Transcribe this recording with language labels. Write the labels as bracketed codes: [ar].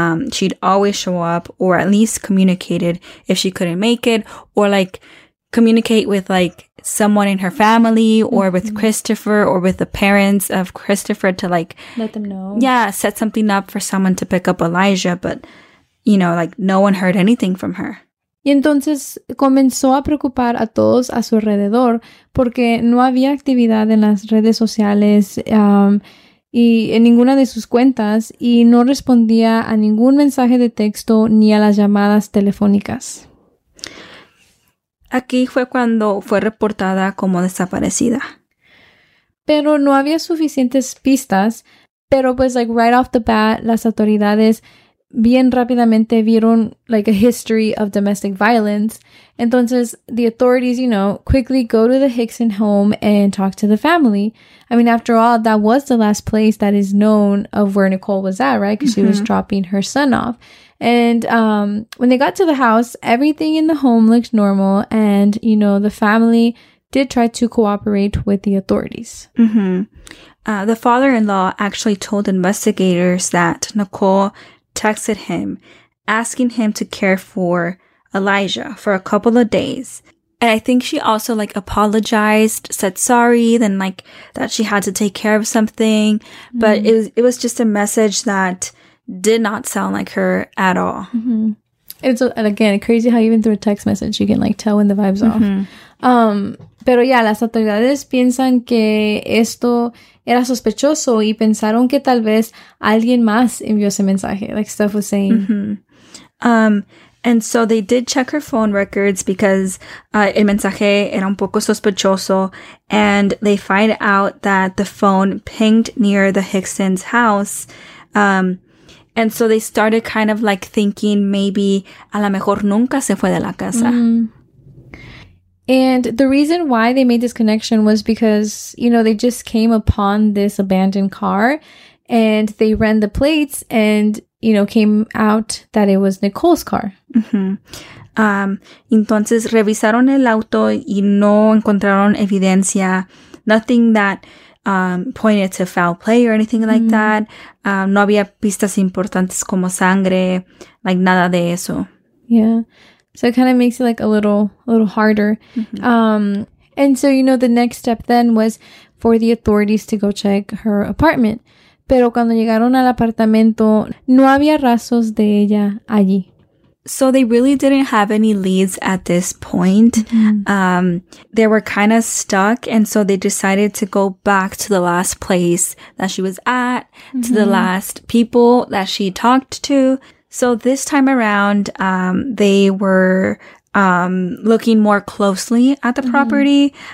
[en] She'd always show up, or at least communicated if she couldn't make it, or, like, communicate with, like, someone in her family or mm-hmm. with Christopher or with the parents of Christopher to, like, let them know. Yeah, set something up for someone to pick up Elijah. But, you know, like, no one heard anything from her. [es] Y entonces comenzó a preocupar a todos a su alrededor porque no había actividad en las redes sociales y en ninguna de sus cuentas y no respondía a ningún mensaje de texto ni a las llamadas telefónicas. Aquí fue cuando fue reportada como desaparecida. Pero no había suficientes pistas, pero pues [en] like right off the bat [es] las autoridades bien rápidamente vieron [en] like a history of domestic violence. [es] Entonces, [en] the authorities, you know, quickly go to the Hickson home and talk to the family. I mean, after all, that was the last place that is known of where Nicole was at, right? Because mm-hmm. she was dropping her son off. And when they got to the house, everything in the home looked normal. And, you know, the family did try to cooperate with the authorities. Mm-hmm. The father-in-law actually told investigators that Nicole texted him asking him to care for Elijah for a couple of days. And I think she also like apologized, said sorry, then like that she had to take care of something. Mm-hmm. But it was just a message that did not sound like her at all. Mm-hmm. It's again crazy how even through a text message you can like tell when the vibe's mm-hmm. off. [es] Pero ya, las autoridades piensan que esto era sospechoso y pensaron que tal vez alguien más envió ese mensaje, [en] like Steph was saying. Mm-hmm. And so they did check her phone records because [es] el mensaje era un poco sospechoso. [en] And they find out that the phone pinged near the Hickson's house. And so they started kind of like thinking maybe [es] a lo mejor nunca se fue de la casa. [en] Mm-hmm. And the reason why they made this connection was because, you know, they just came upon this abandoned car and they ran the plates and, you know, came out that it was Nicole's car. Mm-hmm. [es] Entonces, revisaron el auto y no encontraron evidencia, [en] nothing that pointed to foul play or anything like mm-hmm. that. No había pistas importantes como sangre, like nada de eso. Yeah. So it kind of makes it like a little harder. Mm-hmm. And so, you know, the next step then was for the authorities to go check her apartment. [es] Pero cuando llegaron al apartamento, no había rastros de ella allí. [en] So they really didn't have any leads at this point. Mm-hmm. They were kind of stuck. And so they decided to go back to the last place that she was at, mm-hmm. to the last people that she talked to. So this time around, they were looking more closely at the mm-hmm. property.